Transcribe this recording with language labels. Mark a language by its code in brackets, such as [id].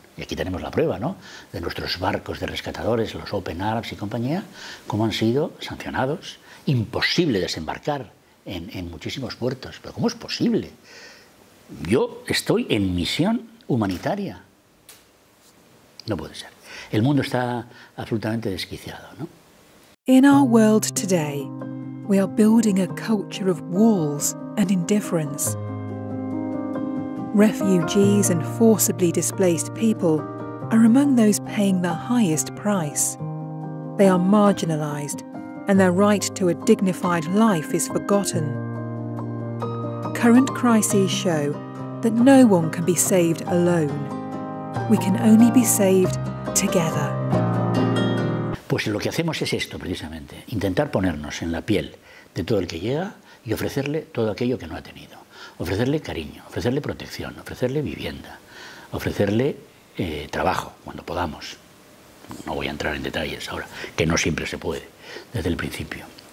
[es] Y aquí tenemos la prueba, ¿no?, de nuestros barcos de rescatadores, los Open Arms y compañía, cómo han sido sancionados. Imposible desembarcar en muchísimos puertos. ¿Pero cómo es posible? Yo estoy en misión humanitaria. No puede ser. El mundo está absolutamente desquiciado, ¿no? [en] In our world today, we are building a culture of walls and indifference. Refugees and forcibly displaced people are among those paying the highest price. They are marginalized, and their right to a dignified life is forgotten. Current crises show that no one can be saved alone. We can only be saved together. [es] Pues lo que hacemos es esto, precisamente. Intentar ponernos en la piel de todo el que llega y ofrecerle todo aquello que no ha tenido. Ofrecerle cariño, ofrecerle protección, ofrecerle vivienda, ofrecerle trabajo, cuando podamos. No voy a entrar en detalles ahora, que no siempre se puede, desde el principio.